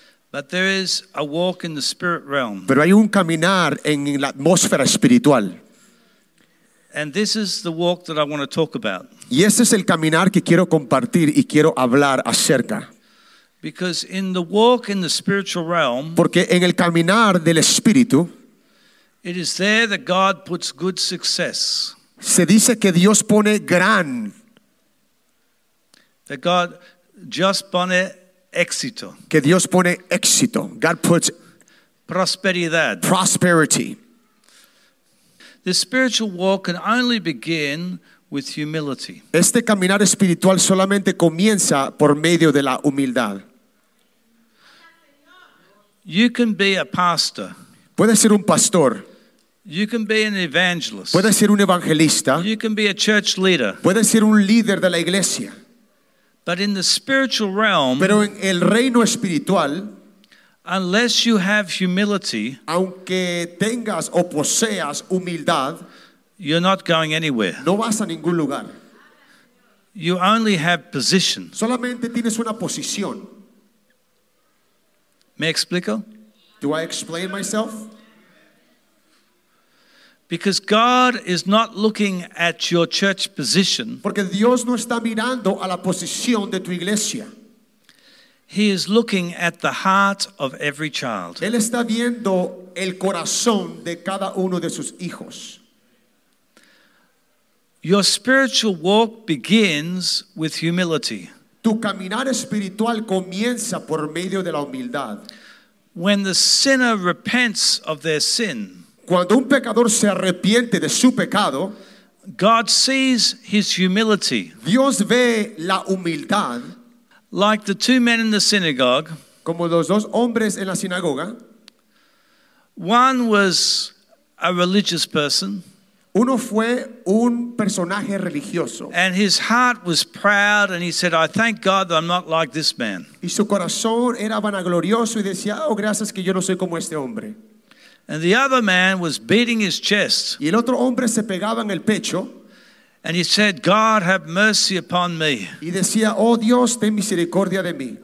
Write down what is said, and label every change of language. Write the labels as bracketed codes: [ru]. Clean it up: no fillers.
[en] But there is a walk in the spirit realm. [es] Pero hay un caminar en la atmósfera espiritual. [en] And this is the walk that I want to talk about. [es] Y ese es el caminar que quiero compartir y quiero hablar acerca. [en] Because in the walk in the spiritual realm, [es] porque en el caminar del espíritu, [en] it is there that God puts good success. [es] Se dice que Dios pone gran. [en] That God just [es] pone éxito. Que Dios pone éxito. [en] God puts [es] prosperidad. [en] Prosperity. The spiritual walk can only begin with humility. [es] Este caminar espiritual solamente comienza por medio de la humildad. [en] You can be a pastor. [es] Puedes ser un pastor. [en] You can be an evangelist. [es] Puedes ser un evangelista. [en] You can be a church leader. [es] Puedes ser un líder de la iglesia. [en] But in the spiritual realm, [es] pero en el reino espiritual, [en] unless you have humility, [es] aunque tengas o poseas humildad, [en] you're not going anywhere. [es] No vas a ningún lugar. [en] You only have position. [es] Solamente tienes una posición. ¿Me explico? [en] Do I explain myself? Because God is not looking at your church position. [es] Porque Dios no está mirando a la posición de tu iglesia. [en] He is looking at the heart of every child. [es] Él está viendo el corazón de cada uno de sus hijos. [en] Your spiritual walk begins with humility. [es] Tu caminar espiritual comienza por medio de la humildad. [en] When the sinner repents of their sin, [es] cuando un pecador se arrepiente de su pecado, [en] God sees his humility. [es] Dios ve la humildad. [en] Like the two men in the synagogue, [es] como los dos hombres en la sinagoga. [en] One was a religious person. [es] Uno fue un personaje religioso. [en] And his heart was proud and he said, I thank God that I'm not like this man. [es] Y su corazón era vanaglorioso y decía, oh, gracias que yo no soy como este hombre. [en] And the other man was beating his chest. [es] Y el otro hombre se pegaba en el pecho. [en] And he said, God have mercy upon me. [es] Y decía, oh Dios, ten misericordia de mí.